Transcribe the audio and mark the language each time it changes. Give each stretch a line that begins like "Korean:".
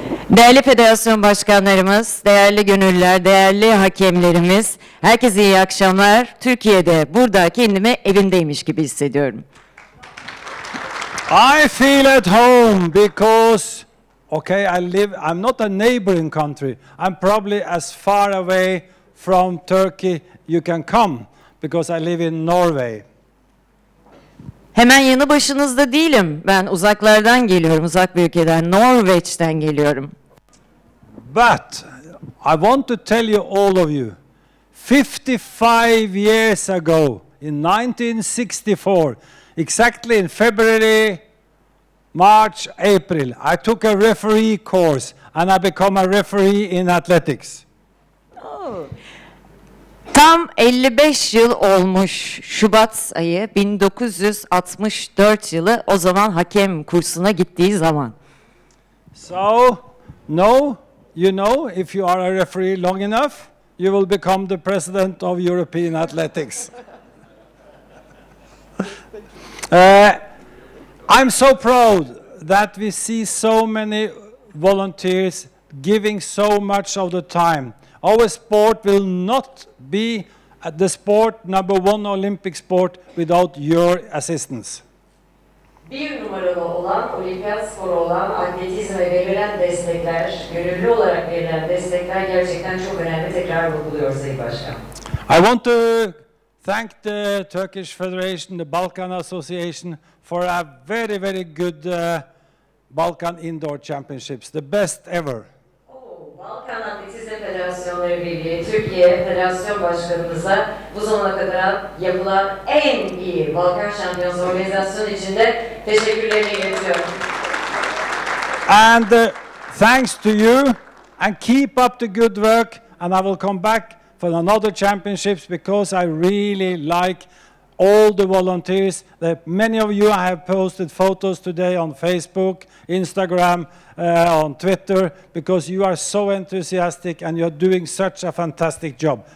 Turkish: Değerli federasyon başkanlarımız, değerli gönüllüler, değerli hakemlerimiz, herkese iyi akşamlar. Türkiye'de, burada kendimi evimdeymiş gibi hissediyorum.
English: I feel at home because, okay, I'm not a neighboring country. I'm probably as far away from Turkey you can come because I live in Norway.
Turkish: Hemen yanı başınızda değilim. Ben uzaklardan geliyorum, uzak bir ülkeden, Norveç'ten geliyorum.
English: But I want to tell you all of you, 55 years ago, in 1964, exactly in February, March, April, I took a referee course and I became a referee in athletics.
Turkish: Tam 55 yıl olmuş Şubat ayı, 1964 yılı, o zaman hakem kursuna gittiği zaman.
English: So, no, you know, if you are a referee long enough, you will become the president of European Athletics. I'm so proud that we see so many volunteers giving so much of the time. Our sport will not be the sport number one Olympic sport without your assistance.
Turkish: Bir numaralı olan, olimpiyat sporu olan, atletizme verilen destekler, gönüllü olarak verilen destekler gerçekten çok önemli. Tekrar vurguluyor Sayın Başkan.
English: I want to thank the Turkish Federation, the Balkan Association for a very, very good Balkan Indoor Championships, the best ever.
Turkish: Balkan Atletizm Federasyonları Birliği, Türkiye Federasyon Başkanımıza bu zamana kadar yapılan en iyi Balkan Şampiyonası organizasyonu için de teşekkürlerimi iletiyorum.
English: And thanks to you, and keep up the good work, and I will come back for another championships because I really like all the volunteers. That many of you I have posted photos today on Facebook, Instagram, on Twitter, because you are so enthusiastic and you're doing such a fantastic job.